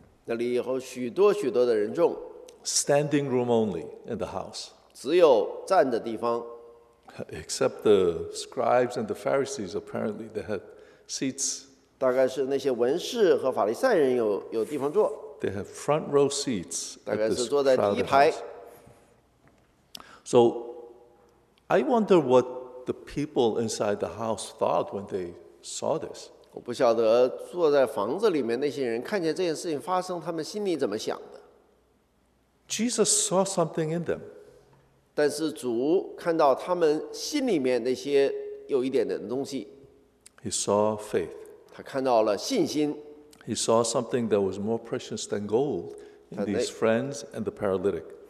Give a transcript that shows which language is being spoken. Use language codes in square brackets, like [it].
[zh] 那里有许多许多的人众。 [en] Standing room only in the house. [zh] 只有站的地方。 [en] Except the scribes and the Pharisees, apparently they had seats. [zh] 大概是那些文士和法利赛人有地方坐。 [en] They had front row seats. [zh] 大概是坐在第一排。 [en] So I wonder what the people inside the house thought when they saw this. [zh] 我不晓得坐在房子里面那些人看见这件事情发生，他们心里怎么想的。 [en] Jesus saw something in them. [zh] 但是主看到他们心里面那些有一点的东西。 [en] He saw faith. [zh] 他看到了信心。 [en] He saw something that was more precious than gold in these friends and the paralytic.